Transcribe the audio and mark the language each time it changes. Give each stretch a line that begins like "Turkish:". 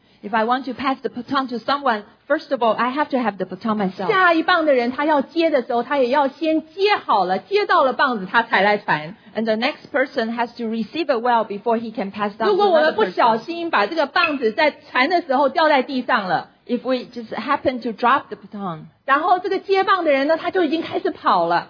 English: If I want to pass the baton to someone, first of all, I have to have the baton myself.
Chinese: 下一棒的人他要接的时候，他也要先接好了，接到了棒子，他才来传。
English: And the next person has to receive it well before he can pass down.
Chinese: 如果我们不小心把这个棒子在传的时候掉在地上了，
English: If we just happen to drop the baton,
Chinese: 然后这个接棒的人呢，他就已经开始跑了。